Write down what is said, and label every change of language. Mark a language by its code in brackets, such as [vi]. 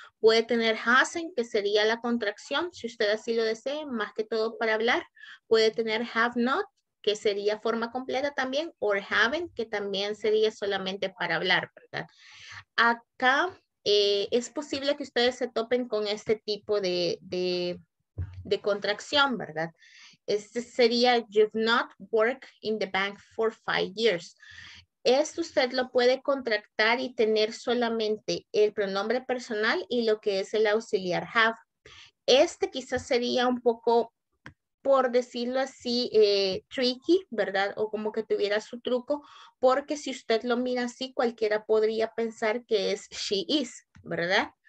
[es] Puede tener hasn't, que sería la contracción, si usted así lo desee, más que todo para hablar. Puede tener have not, que sería forma completa también, or haven't, que también sería solamente para hablar, ¿verdad? Acá es posible que ustedes se topen con este tipo de contracción, ¿verdad? Este sería, [en] you've not worked in the bank for 5 years. [es] Esto usted lo puede contractar y tener solamente el pronombre personal y lo que es el auxiliar have. Este quizás sería un poco, por decirlo así, tricky, ¿verdad? O como que tuviera su truco, porque si usted lo mira así, cualquiera podría pensar que es she is, ¿verdad?